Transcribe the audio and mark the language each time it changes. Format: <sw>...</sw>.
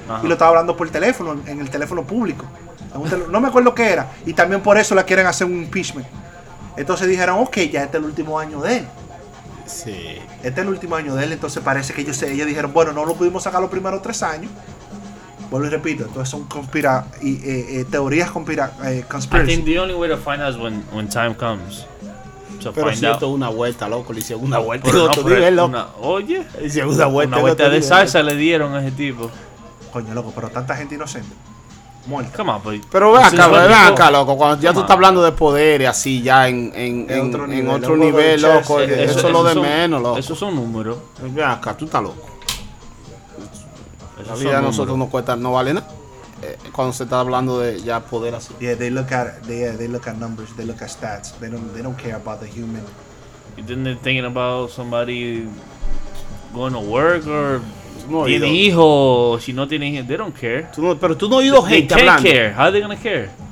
<es>Uh-huh. Y lo estaba hablando por el teléfono, en el teléfono público. No me acuerdo qué era. Y también por eso le quieren hacer un impeachment. Entonces dijeron, ok, ya este es el último año de él. Sí. Este es el último año de él. Entonces parece que ellos dijeron, bueno, no lo pudimos sacar los primeros 3 años. Vuelvo y repito, entonces son teorías conspiracy.</es> <en>I think the only way to find out is when time comes. to pero find si out.</en> <es>Esto es una vuelta, loco. Le hicieron una vuelta. Pero no, otro nivel, loco. Una, oye. Le hicieron una vuelta. Una vuelta de salsa le dieron a ese tipo. Coño, loco, pero tanta gente inocente.</es> <en>Come on, boy.</en> <es>Pero ve acá, loco, cuando ya tú estás hablando de poder y así ya en otro nivel, loco, eso es lo de menos, loco. Eso son números. Ve acá, tú estás loco. La vida a nosotros no cuesta, no vale nada. Cuando se está hablando de ya poder así.</es> <en>Yeah, they look at numbers, they look at stats. They don't care about the human. You didn't think about somebody going to work or no,</en> <es>tiene hijo, si no tiene hijo,</es> <en>they don't care.</en> <es>Tú no, pero tú no oído gente hablando.</es> <en>They can't care. How are they gonna care?</en>